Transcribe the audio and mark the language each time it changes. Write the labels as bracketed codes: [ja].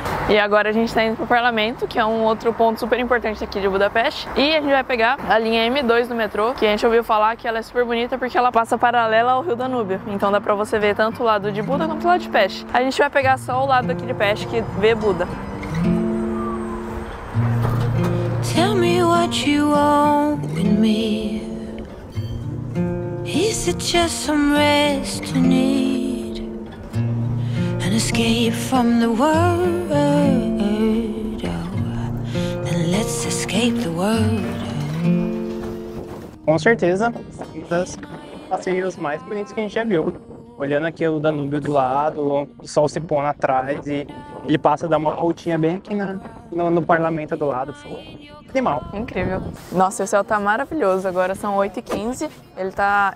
[pt] E agora a gente tá indo pro Parlamento, que é um outro ponto super importante aqui de Budapeste. E a gente vai pegar a linha M2 do metrô, que a gente ouviu falar que ela é super bonita porque ela passa paralela ao Rio Danúbio. Então dá pra você ver tanto o lado de Buda quanto o lado de Peste. A gente vai pegar só o lado aqui de Peste, que vê Buda. [en] Tell me what you want with me. Is it just some rest to need? An escape from the world. Then let's escape the world. [pt] Com certeza, um dos passeios mais bonitos que a gente já viu. Olhando aqui o Danúbio do lado, o sol se pondo atrás e ele passa a dar uma voltinha bem aqui no Parlamento do lado. Foi animal. Incrível. Nossa, o céu tá maravilhoso. Agora são 8h15. Ele tá...